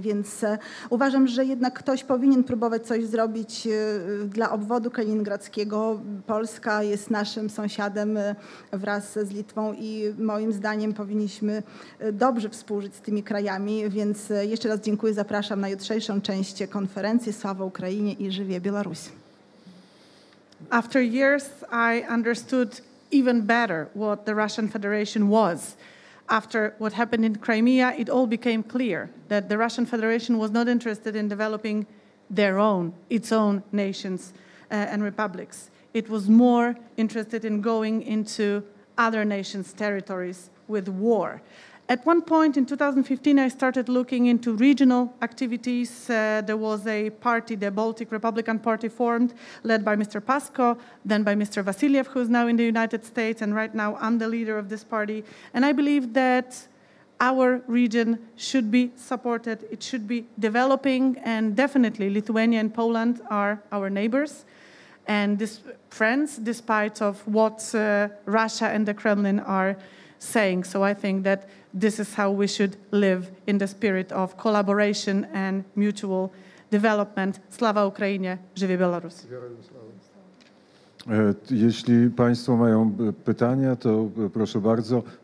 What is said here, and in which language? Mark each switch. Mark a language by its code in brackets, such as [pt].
[pl] Więc uważam, że jednak ktoś powinien próbować coś zrobić dla obwodu kaliningradzkiego. Polska jest naszym sąsiadem wraz z Litwą i moim zdaniem powinniśmy dobrze współżyć z tymi krajami. Więc jeszcze raz dziękuję, zapraszam na jutrzejszą część konferencji. Sława Ukrainie i żywie Belarus. [en] After years, I understood even better what the Russian Federation was. After what happened in Crimea, it all became clear that the Russian Federation was not interested in developing their own, its own nations and republics. It was more interested in going into other nations' territories with war. At one point in 2015, I started looking into regional activities. There was a party, the Baltic Republican Party, formed, led by Mr. Pasko, then by Mr. Vasiliev, who is now in the United States, and right now I'm the leader of this party. And I believe that our region should be supported, it should be developing, and definitely Lithuania and Poland are our neighbors and friends, despite of what Russia and the Kremlin are saying. So I think that this is how we should live in the spirit of collaboration and mutual development. [pl] Slava Ukraine, żywi Belarus. Jeśli państwo mają pytania, to proszę bardzo.